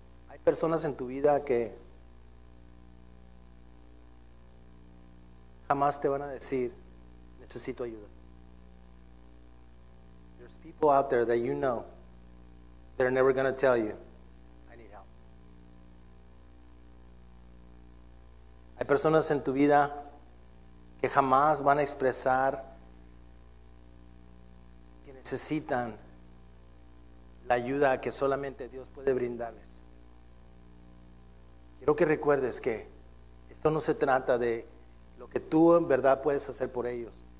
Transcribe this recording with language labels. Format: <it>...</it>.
<es>Hay personas en tu vida que jamás te van a decir, necesito ayuda.</es> <en>There's people out there that you know that are never going to tell you, I need help.</en> <es>Hay personas en tu vida que jamás van a expresar que necesitan la ayuda que solamente Dios puede brindarles. Quiero que recuerdes que esto no se trata de lo que tú en verdad puedes hacer por ellos.</es>